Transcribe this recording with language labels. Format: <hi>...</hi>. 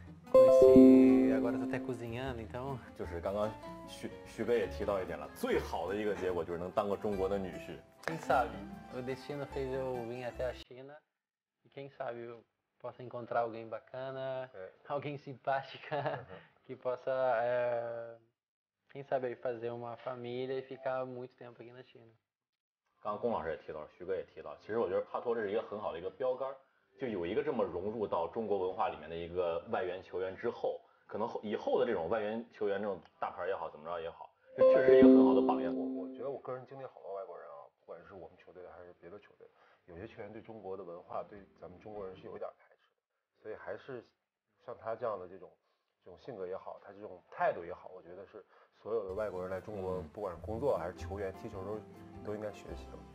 <pt>Conheci, agora estou até cozinhando, então.</pt> <zh>就是刚刚徐哥也提到一点了，最好的一个结果就是能当个中国的女婿。</zh> <pt>Quem sabe, o destino fez eu vir até a China. E quem sabe eu possa encontrar alguém bacana, alguém simpática, que possa, quem sabe fazer uma família e ficar muito tempo aqui na China.</pt> <zh>刚刚龚老师也提到，徐哥也提到，其实我觉得帕托这是一个很好的一个标杆，就有一个这么融入到中国文化里面的一个外援球员之后，可能以后的这种外援球员这种大牌也好怎么着也好，这确实是一个很好的榜样。我觉得我个人经历好多外国人啊，不管是我们球队还是别的球队，有些球员对中国的文化对咱们中国人是有点排斥的，所以还是像他这样的这种性格也好，他这种态度也好，我觉得是所有的外国人来中国不管是工作还是球员踢球都应该学习的。</zh>